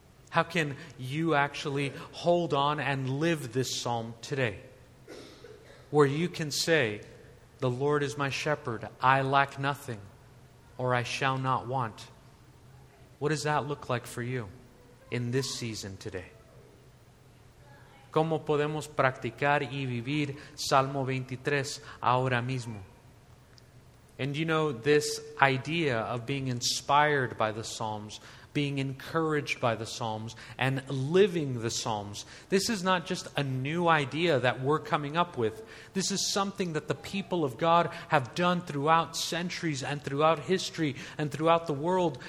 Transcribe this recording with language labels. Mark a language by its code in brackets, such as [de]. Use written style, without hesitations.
[en] How can you actually hold on and live this psalm today? Where you can say, the Lord is my shepherd. I lack nothing. Or I shall not want. What does that look like for you in this season today? [es] ¿Cómo podemos practicar y vivir Salmo 23 ahora mismo? [en] And you know, this idea of being inspired by the Psalms, being encouraged by the Psalms, and living the Psalms, this is not just a new idea that we're coming up with. This is something that the people of God have done throughout centuries and throughout history and throughout the world.